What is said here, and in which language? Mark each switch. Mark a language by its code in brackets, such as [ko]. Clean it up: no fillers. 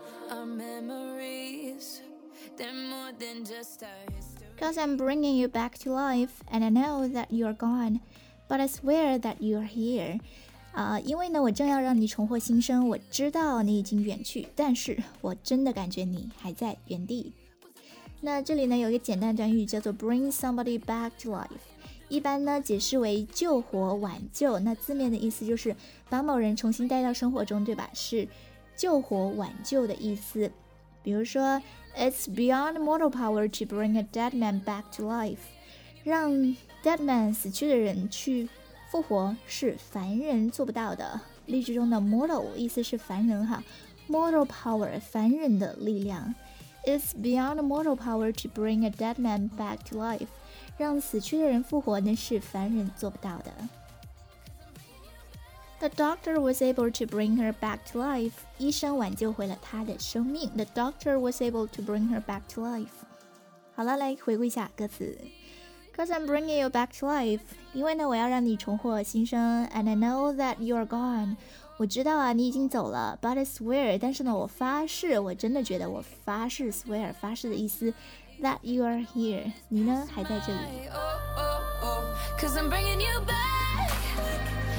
[en] Our memories, they're more than just our history. Cause I'm bringing you back to life, and I know that you're gone, but I swear that you're here. [zh] 因为呢，我正要让你重获新生，我知道你已经远去，但是我真的感觉你还在原地。那这里呢有一个简单短语叫做 [en] bring somebody back to life， [zh] 一般呢解释为救活挽救，那字面的意思就是把某人重新带到生活中，对吧？是救活挽救的意思。比如说 [en] It's beyond mortal power to bring a dead man back to life， [zh] 让 [en] dead man [zh] 死去的人去复活是凡人做不到的。例句中的 mortal 意思是凡人哈， mortal power 凡人的力量。 [en] It's beyond mortal power to bring a dead man back to life， [zh] 让死去的人复活那是凡人做不到的。 [en] The doctor was able to bring her back to life， [zh] 医生挽救回了她的生命。 [en] The doctor was able to bring her back to life。 [zh] 好了，来回顾一下歌词。 [en] Cause I'm bringing you back to life， [zh] 因为呢我要让你重获新生。 [en] And I know that you're gone， [zh] 我知道啊你已经走了。 [en] But I swear， [zh] 但是呢我发誓，我真的觉得，我发誓， swear 发誓的意思， [en] That you are here， [zh] 你呢还在这里。 [en] Cause I'm bringing you back。